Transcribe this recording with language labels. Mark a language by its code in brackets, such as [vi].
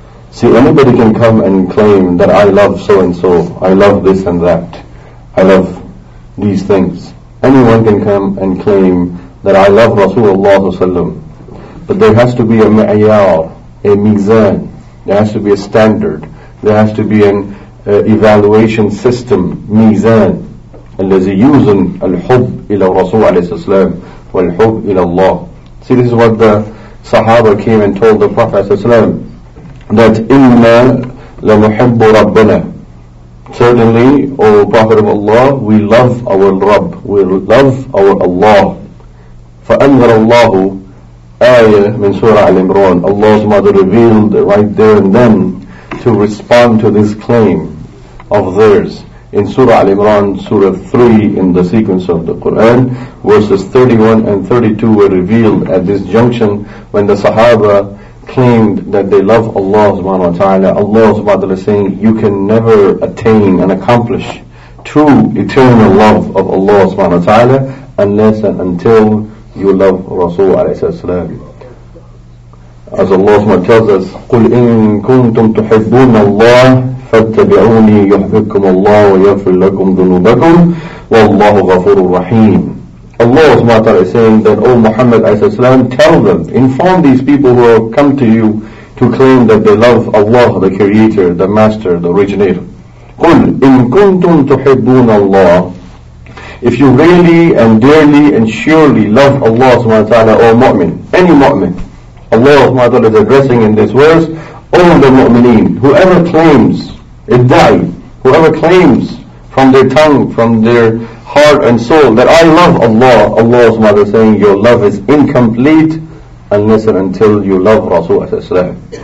[en] See, anybody can come and claim that I love so and so, I love this and that, I love these things. Anyone can come and claim that I love Rasulullah. But there has to be a mi'yar, a mizan. There has to be a standard. There has to be an evaluation system, mizan. [ar] الذي يوزن الحب إلى رسول عليه السلام والحب إلى الله. [en] See, this is what the Sahaba came and told the Prophet that [ar] إِنَّا لَمُحِبُّ رَبَّنَا. [en] Certainly, O Prophet of Allah, we love our Rabb, we love our Allah. [ar] فأنذر الله آية من سورة آل عمران. [en] Allah's mother revealed right there and then to respond to this claim of theirs in Surah Al Imran, Surah 3 in the sequence of the Quran, verses 31 and 32 were revealed at this junction when the Sahaba claimed that they love Allah subhanahu wa ta'ala. Allah's mother is saying, you can never attain and accomplish true eternal love of Allah subhanahu wa ta'ala unless and until you love Rasul alayhi salam. As Allah SWT tells us, [ar] قُلْ إِن كُنْتُمْ تُحِبُّونَ اللَّهِ فَاتَّبِعُونِي يُحْبِكُمُ اللَّهُ وَيَغْفِرْ لَكُمْ ذُنُوبَكُمْ وَاللَّهُ غَفُورٌ رَحِيمٌ. [en] Allah SWT is saying that, O Muhammad alayhi salam, tell them, inform these people who have come to you to claim that they love Allah, the Creator, the Master, the Originator. [ar] قُلْ إِن كُنْتُمْ تُحِبُّونَ اللَّهِ. [en] If you really and dearly and surely love Allah subhanahu wa ta'ala, O mu'min, any mu'min, Allah subhanahu wa ta'ala is addressing in this verse, all the mu'mineen, whoever claims, iddai, whoever claims from their tongue, from their heart and soul, that I love Allah, Allah subhanahu wa ta'ala is saying, your love is incomplete unless and until you love Rasul alayhi salam.